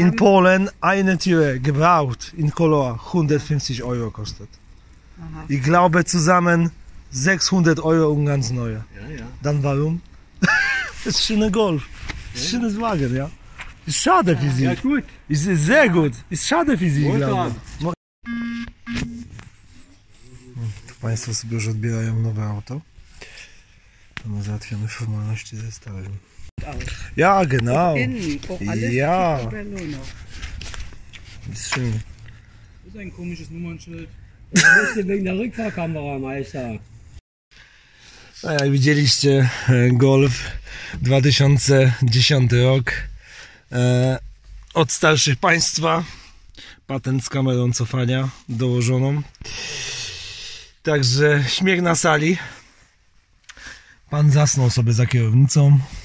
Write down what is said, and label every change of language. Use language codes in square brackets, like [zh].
[de] In Polen eine Tür gebraucht, in Color, 150 Euro kostet. Aha. Ich glaube zusammen 600 Euro und ganz neue. Ja, ja. Dann warum? Das ist ein schöner Golf. Das ist ein schönes Wagen, ja. Ist schade für Sie. Ja, gut. Ist sehr gut. Ist schade für Sie, glaube ich. [pl] Państwo sobie już odbierają nowe auto. To my załatwiamy formalności ze starym. [de] Ja, genau. Ja. Das ist ein komisches Nummernschild. Wegen der Rückfahrkamera, Meister. [pl] No, jak widzieliście, Golf 2010 rok. Od starszych państwa. Patent z kamerą cofania dołożoną. Także śmiech na sali. Pan zasnął sobie za kierownicą.